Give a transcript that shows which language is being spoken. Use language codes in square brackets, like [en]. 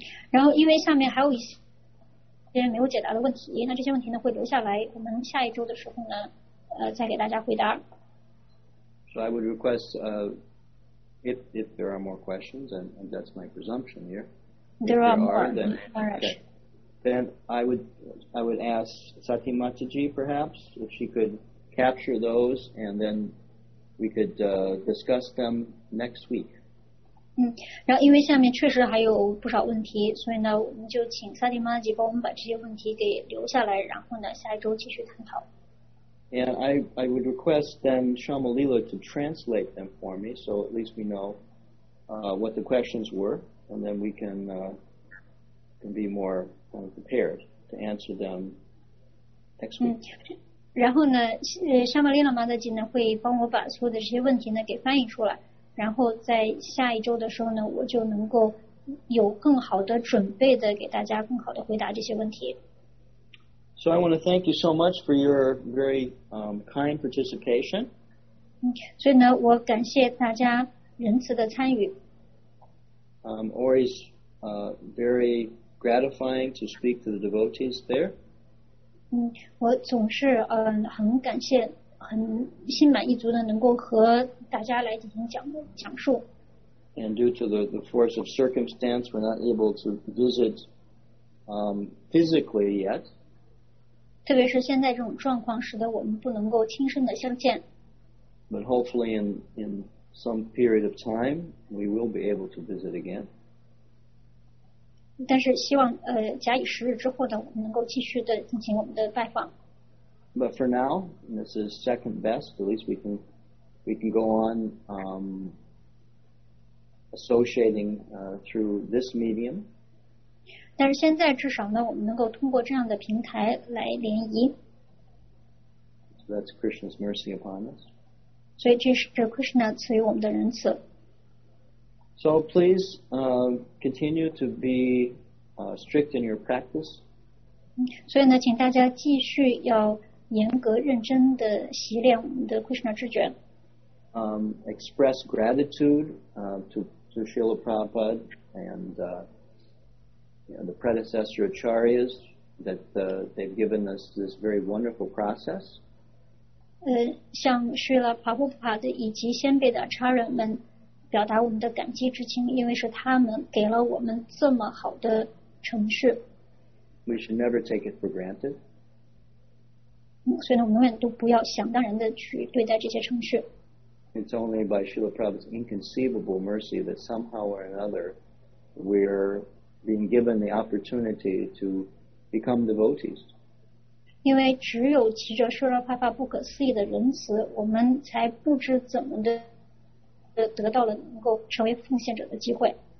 [zh] 然后因为下面还有一些没有解答的问题，那这些问题呢会留下来，我们下一周的时候呢，再给大家回答。 [en] So I would request if there are more questions, and that's my presumption here. There are more. Then I would ask Sati Mataji perhaps if she could capture those and then we could discuss them next week. [zh] 然后因为下面确实还有不少问题，所以呢，我们就请 Sati Mataji 帮我们把这些问题给留下来，然后呢，下一周继续探讨。 [en] And I would request then Shyamalila to translate them for me, so at least we know what the questions were, and then we can be more prepared to answer them next week. [zh] 然后呢，沙玛丽拉玛德吉呢会帮我把所有的这些问题呢给翻译出来，然后在下一周的时候呢，我就能够有更好的准备的给大家更好的回答这些问题。 [en] So I want to thank you so much for your very kind participation. [zh] 所以呢，我感谢大家仁慈的参与。 [en] Always very gratifying to speak to the devotees there. [zh] 我总是很感谢，很心满意足的能够和大家来进行讲述。 [en] And due to the force of circumstance, we're not able to visit physically yet. [zh] 特别是现在这种状况，使得我们不能够亲身的相见。 [en] But hopefully, in some period of time, we will be able to visit again. [zh] 但是希望假以时日之后呢，我们能够继续的进行我们的拜访。 [en] But for now, this is second best. At least we can go on associating through this medium. [zh] 但是现在至少呢，我们能够通过这样的平台来联谊。 [en] So that's Krishna's mercy upon us. [zh] 所以这是 Krishna 赐予我们的仁慈。 [en] So please continue to be strict in your practice. [zh] 所以呢，请大家继续要严格认真的习练我们的 Krishna 智觉。 [en] Express gratitude to Srila Prabhupada and the predecessor acharyas that they've given us this very wonderful process. [zh] 向 Srila Prabhupada 以及先辈的 acharya 们表达我们的感激之情，因为是他们给了我们这么好的程序。 [en] We should never take it for granted. [zh] 所以呢，我们永远都不要想当然的去对待这些程序。 [en] It's only by Srila Prabhupada's inconceivable mercy that somehow or another we're being given the opportunity to become devotees. [zh] 因为只有藉着 Srila Prabhupada 不可思议的仁慈，我们才不知怎么的得到了能够成为奉献者的机会。